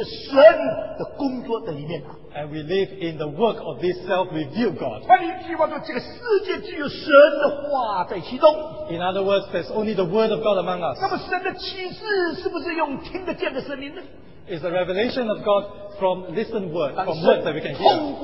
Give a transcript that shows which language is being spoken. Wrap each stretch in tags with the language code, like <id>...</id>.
<zh>所以我们就活在一个被启示的神的工作的里面了。</zh> <en>And we live in the work of this self-revealed God.</en> <zh>换句话说，这个世界只有神的话在其中。</zh> <en>In other words, there's only the word of God among us.</en> <zh>那么神的启示是不是用听得见的声音呢？</zh> <en>Is the revelation of God from listened word, from words that we can hear.</en>